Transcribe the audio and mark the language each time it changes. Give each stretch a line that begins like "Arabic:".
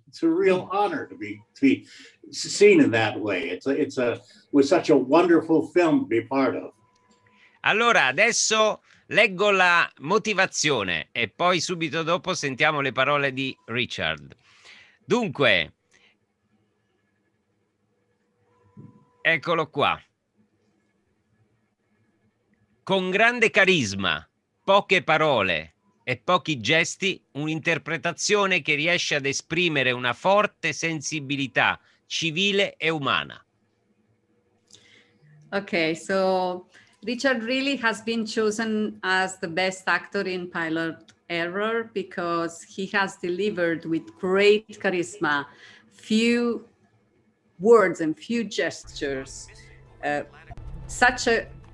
English: It's a real honor to be seen in that way. It's with such a wonderful film to be part of.
Italian: Allora, adesso leggo la motivazione e poi subito dopo sentiamo le parole di Richard. Dunque, eccolo qua. Con grande carisma, poche parole e pochi gesti, un'interpretazione che riesce ad esprimere una forte sensibilità civile e umana.
English: Okay, so Richard really has been chosen as the best actor in Pilot Error because he has delivered with great charisma, few words and few gestures, such a